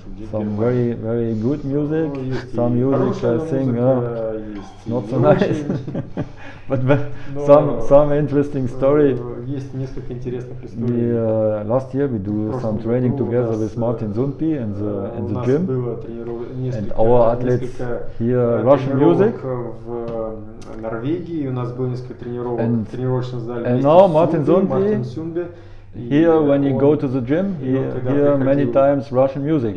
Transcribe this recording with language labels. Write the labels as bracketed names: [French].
[English] Some very very good music, some music I think not so nice. But some interesting story. Last year we do some training together with Martin Zunpi in the gym, and our athletes hear Russian music. [Russian] В Норвегии у нас было несколько тренировок в тренировочном зале. [English] And now Martin Zunpi here when you go to the gym, he hear many times Russian music.